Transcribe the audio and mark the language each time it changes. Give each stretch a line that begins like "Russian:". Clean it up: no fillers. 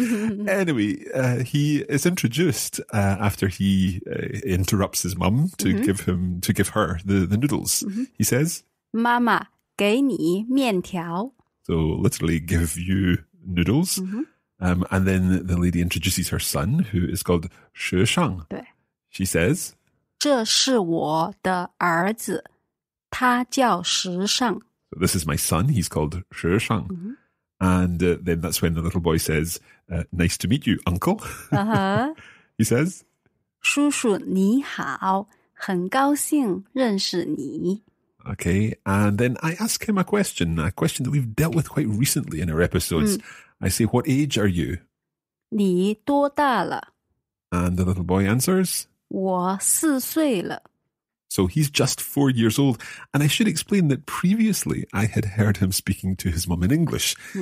English: Anyway, he is introduced after he interrupts his mum to give her the noodles. He says,
Chinese: 妈妈给你面条。
English: So literally give you noodles. Mm-hmm. And then the lady introduces her son, who is called 时尚. She says,
Chinese: 这是我的儿子，他叫时尚。
English: So this is my son, he's called 时尚. Mm-hmm. And then that's when the little boy says, nice to meet you, uncle. Uh-huh. He says,
Chinese: 叔叔你好，很高兴认识你。
English: Okay, and then I ask him a question that we've dealt with quite recently in our episodes. I say, what age are you?
Chinese: 你多大了?
English: And the little boy answers,
Chinese: 我4岁了。
English: So he's just 4 years old. And I should explain that previously I had heard him speaking to his mum in English.